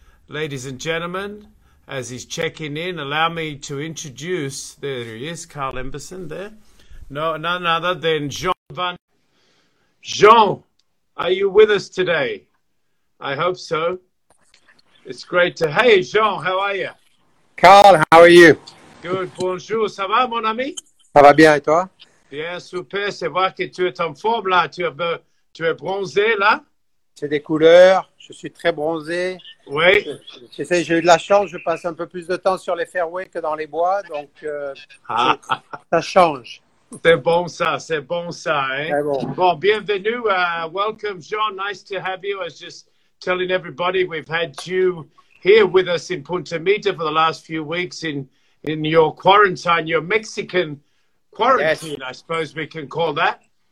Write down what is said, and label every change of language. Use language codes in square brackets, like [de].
[en] Ladies and gentlemen, as he's checking in, allow me to introduce, there he is, Carl Emberson there. No, none other than Jean Van. Jean, are you with us today? I hope so. It's great to, hey Jean, how are you? Carl, how are you? Good, [fr] bonjour, ça va mon ami? Ça va bien, et toi? Bien, super, c'est voir que tu es en forme là, tu es bronzé là. C'est des couleurs, je suis très bronzé. Oui. J'ai eu de la chance, je passe un peu plus de temps sur les fairways que dans les bois, donc ça change. C'est bon ça, hein. Très bon. Bon, bienvenue, [en] welcome Jean, nice to have you. I was just telling everybody we've had you here with us in Punta Mita for the last few weeks in your quarantine, your Mexican quarantine, yes. I suppose we can call that.